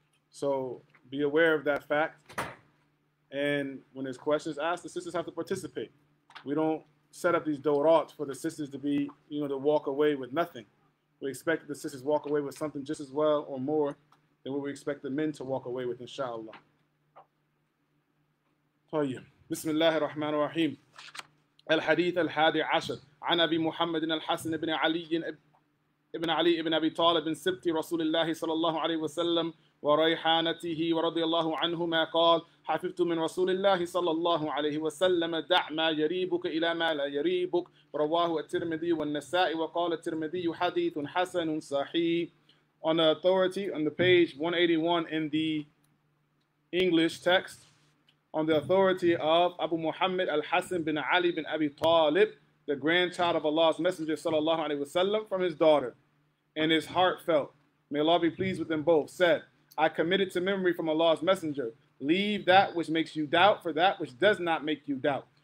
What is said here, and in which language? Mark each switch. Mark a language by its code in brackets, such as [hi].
[en] So be aware of that fact. And when there's questions asked, the sisters have to participate. We don't set up these dorat for the sisters to be, you know, to walk away with nothing. We expect the sisters walk away with something just as well or more than what we expect the men to walk away with, inshallah. [ar] بسم الله الرحمن الرحيم الحديث الحادي عشر عن أبي محمد الحسن بن علي ابن علي ابن أبي طالب بن سبت رسول الله صلى الله عليه وسلم وريحانته ورضي الله عنهما قال حفظت من رسول الله صلى الله عليه وسلم دع ما يريبك إلى ما لا يريبك رواه الترمذي والنسائي وقال الترمذي حديث حسن صحيح. [en] On the authority on the page 181 in the English text, on the authority of Abu Muhammad al-Hassan bin Ali bin Abi Talib, the grandchild of Allah's Messenger sallallahu alaihi wasallam, from his daughter, and his heartfelt, may Allah be pleased with them both, said, I committed to memory from Allah's Messenger, leave that which makes you doubt for that which does not make you doubt.